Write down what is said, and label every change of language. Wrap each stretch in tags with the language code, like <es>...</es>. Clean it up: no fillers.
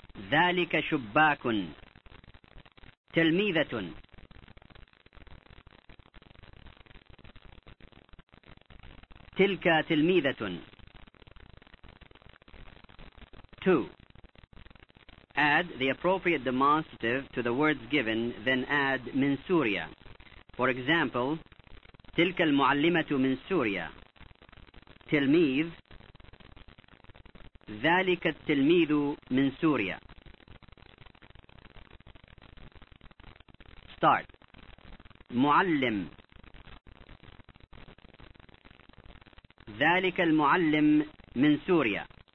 <ar>ذلك شباك تلميذة تلك تلميذة Two.</ar> <en>Add the appropriate demonstrative to the words given, then add</en> <ar>من سوريا.</ar> <en>For example,</en> <ar>تلك المعلمة من سوريا. تلميذ ذلك التلميذ من سوريا.</ar> <en>Start.</en> <ar>معلم ذلك المعلم من سوريا.</ar>